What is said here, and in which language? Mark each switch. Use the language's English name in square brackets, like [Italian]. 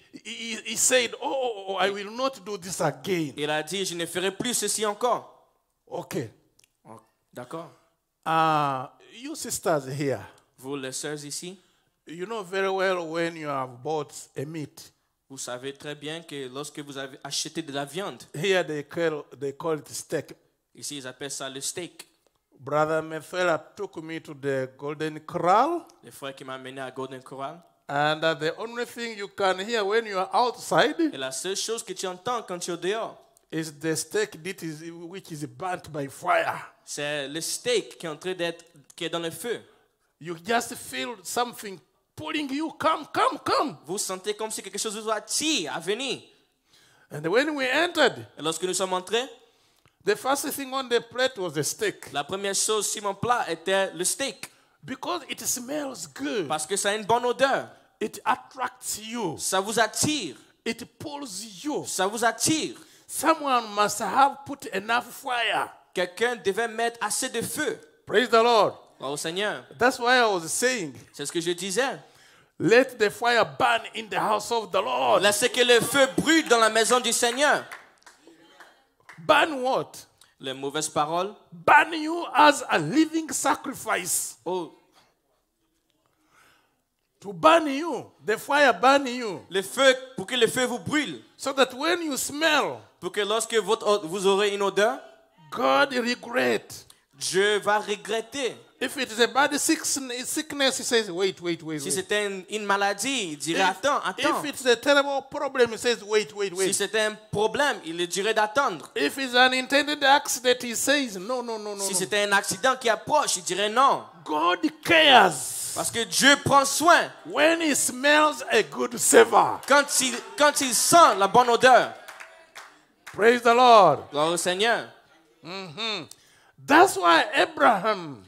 [English] He said, "Oh, I will not do this again." [French] Il a dit, je ne ferai plus ceci encore. [English] Okay. [French] D'accord. [English] You sisters here. [French] Vous les sœurs ici. [English] You know very well when you have bought a meat. [French] Vous savez très bien que lorsque vous avez acheté de la viande. [English] Here they call it steak. [French] Ici ils appellent ça le steak. [English] Brother Mefela took me to the Golden Corral. [French] Le frère qui m'a amené à Golden Corral. [English] And the only thing you can hear when you are outside. [French] Et la seule chose que tu entends quand tu es dehors. [English] is the steak that is which is burnt by fire. [French] C'est le steak qui est en train d'être qui est dans le feu. [English] You just feel something pulling you. Come. [French] Vous sentez comme si quelque chose vous attire à venir. [English] And when we entered, [French] et lorsque nous sommes entrés, [English] the first thing on the plate was the steak. [French] La première chose sur mon plat était le steak. [English] Because it smells good. [French] Parce que ça a une bonne odeur. [English] It attracts you. [French] Ça vous attire. [English] It pulls you. [French] Ça vous attire. [English] Someone must have put enough fire. [French] Quelqu'un devait mettre assez de feu. [English] Praise the Lord. [French] Oh, Seigneur. [English] That's why I was saying. [French] C'est ce que je disais. [English] Let the fire burn in the house of the Lord. [French] Laissez que le feu brûle dans la maison du Seigneur. [English] Burn what? [French] Les mauvaises paroles. [English] Burn you as a living sacrifice. Oh. To burn you, the fire burn you. [French] Le feu, pour que le feu vous brûle. [English] So that when you smell, [French] pour que lorsque vous aurez une odeur, [English] God regret. [French] Dieu va regretter. [English] If it is a bad sickness, he says, wait. [French] Si c'était une maladie, il dirait attends. [English] If it's a terrible problem, he says, wait. [French] Si c'était un problème, il dirait d'attendre. [English] If it's an intended accident, he says, no. [French] Si c'était un accident qui approche, il dirait non. [English] God cares. [French] Parce que Dieu prend soin. [English] When he smells a good savor. [French] Quand il sent la bonne odeur. [English] Praise the Lord. [French] Gloire au Seigneur. [English] Mm-hmm. That's why Abraham.